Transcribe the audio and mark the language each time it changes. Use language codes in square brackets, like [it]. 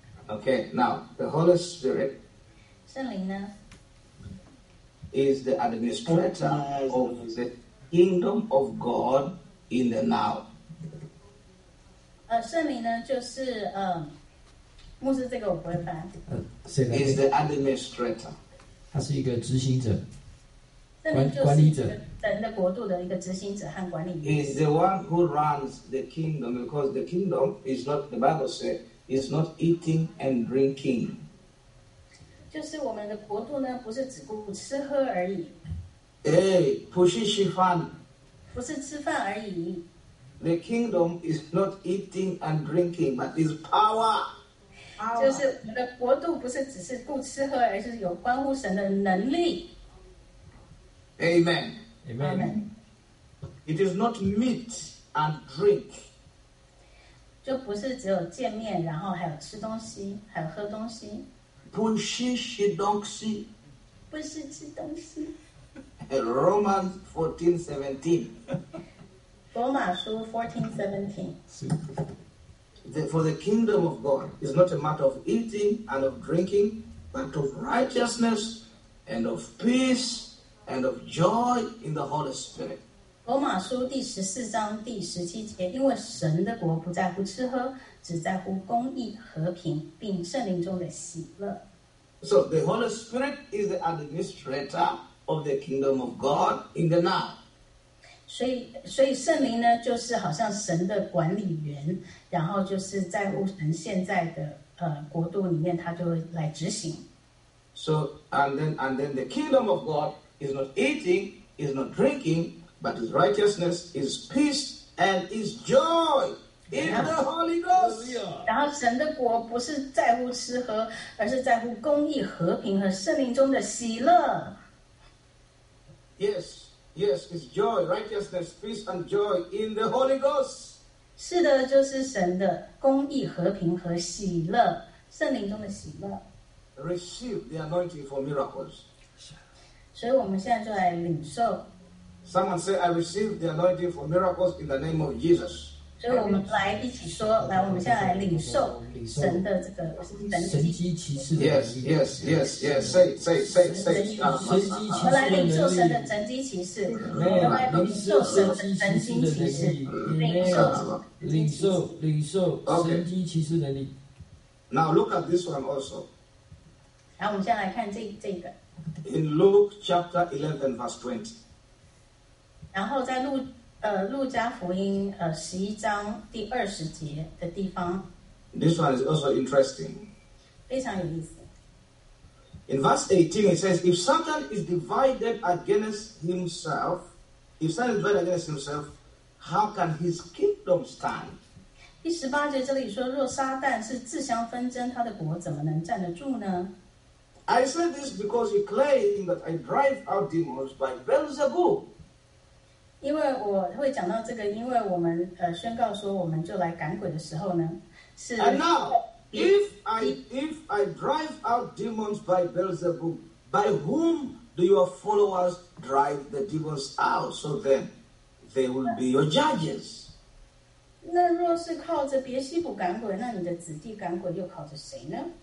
[en] Okay, now the Holy Spirit is the administrator of the kingdom of God in the now. [zh] 圣灵呢，就是牧师，这个我不会翻。 [en] Is the administrator. [zh] 他是一个执行者，管理者，神的国度的一个执行者和管理者。 [en] Is the one who runs the kingdom, because the kingdom is not, the Bible says, is not eating and drinking. [zh] 就是我们的国度呢，不是只顾吃喝而已。哎，不是吃饭，不是吃饭而已。 [en] The kingdom is not eating and drinking, but is power. [zh] 就是我们的国度不是只是顾吃喝，而是有关乎神的能力。 [en] Amen. Amen. It is not meat and drink. [zh] 就不是只有见面，然后还有吃东西，还有喝东西。不是吃东西。不是吃东西。 [en] Romans 14:17. [zh] 罗马书 14:17. [en] For the kingdom of God is not a matter of eating and of drinking, but of righteousness and of peace and of joy in the Holy Spirit. [zh] 罗马书第十四章第十七节，因为神的国不在乎吃喝，只在乎公义、和平，并圣灵中的喜乐。 [en] So the Holy Spirit is the administrator of the kingdom of God in the now. [zh] 所以圣灵呢，就是好像神的管理员，然后就是在乎神现在的国度里面，他就来执行。 [en] So and then the kingdom of God is not eating, is not drinking, but is righteousness, is peace, and is joy in the Holy Ghost. [zh] 然后神的国不是在乎吃喝，而是在乎公义、和平和圣灵中的喜乐。 [en] Yes. Yes, it's joy, righteousness, peace, and joy in the Holy Ghost. [zh] 是的，就是神的公义、和平和喜乐，圣灵中的喜乐。 [en] Receive the anointing for miracles. [zh] 所以我们现在就来领受。 [en] Someone say, "I receive the anointing for miracles in the name of Jesus." [zh] 所以我们来一起说，来，我们现在来领受神的这个神迹奇事。 [en] Yes. Say. [zh] 神迹奇事。我们来领受神的神迹奇事。我们来领受神的神迹奇事。领受神迹奇事能力。 [en] Now look at this one also. [zh] 然后我们先来看这个。 [en] In Luke chapter 11 verse 20. [zh] 然后在路加福音十一章第二十节的地方。 [en] This one is also interesting. [zh] 非常有意思。 [en] In verse 18, it says, "If Satan is divided against himself, if Satan is divided against himself, how can his kingdom stand?" [zh] 第十八节这里说，若撒旦是自相纷争，他的国怎么能站得住呢？ [en] I say this because he claims that I drive out demons by Beelzebub. [zh] 因为我会讲到这个，因为我们宣告说我们就来赶鬼的时候呢，是。 [en] And now, if I drive out demons by Beelzebub, by whom do your followers drive the demons out? So then, they will be your judges. [zh] 那若是靠着别西卜赶鬼，那你的子弟赶鬼又靠着谁呢？